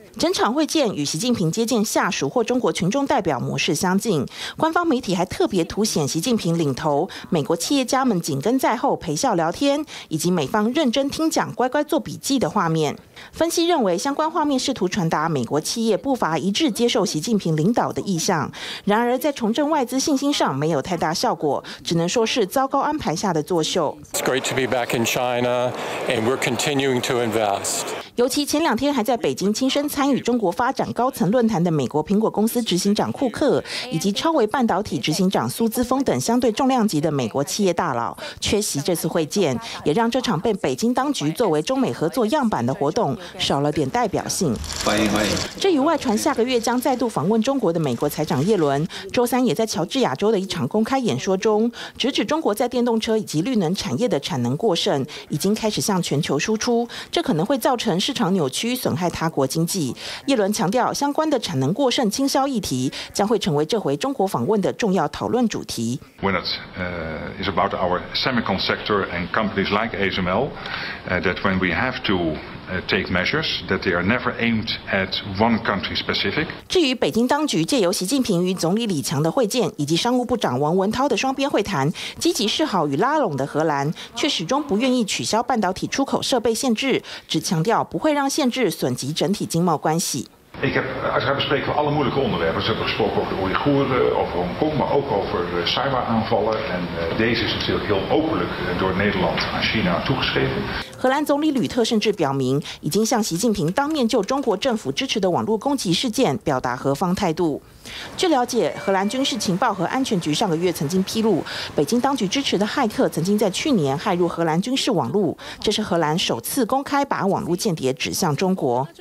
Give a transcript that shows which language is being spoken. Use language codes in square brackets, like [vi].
[zh] 整场会见与习近平接见下属或中国群众代表模式相近，官方媒体还特别凸显习近平领头，美国企业家们紧跟在后陪笑聊天，以及美方认真听讲乖乖做笔记的画面。分析认为，相关画面试图传达美国企业步伐一致接受习近平领导的意向，然而在重振外资信心上没有太大效果，只能说是糟糕安排下的作秀。 [en] It's great to be back in China, and we're continuing to invest. [zh] 尤其前两天还在北京亲身参与中国发展高层论坛的美国苹果公司执行长库克，以及超维半导体执行长苏姿峰等相对重量级的美国企业大佬缺席这次会见，也让这场被北京当局作为中美合作样板的活动少了点代表性。欢迎欢迎。至于外传下个月将再度访问中国的美国财长耶伦，周三也在乔治亚州的一场公开演说中，直指中国在电动车以及绿能产业的产能过剩，已经开始向全球输出，这可能会造成市场扭曲，损害他国经济。耶伦强调，相关的产能过剩倾销议题将会成为这回中国访问的重要讨论主题。 [en] When it is about our semiconductor sector and companies like ASML, that when we have to take measures, that they are never aimed at one country specific. [zh] 至于北京当局借由习近平与总理李强的会见，以及商务部长王文涛的双边会谈，积极示好与拉拢的荷兰，却始终不愿意取消半导体出口设备限制，只强调不会让限制损及整体经贸关系。 [nl] Ik heb uiteraard bespreken we alle moeilijke onderwerpen. Ze hebben gesproken over de Oeigoeren, over Hongkong, maar ook over cyberaanvallen. En deze is natuurlijk heel openlijk door Nederland aan China toegeschreven. [zh] 荷兰总理吕特甚至表明，已经向习近平当面就中国政府支持的网络攻击事件表达何方态度。据了解，荷兰军事情报和安全局上个月曾经披露，北京当局支持的骇客曾经在去年骇入荷兰军事网络，这是荷兰首次公开把网络间谍指向中国。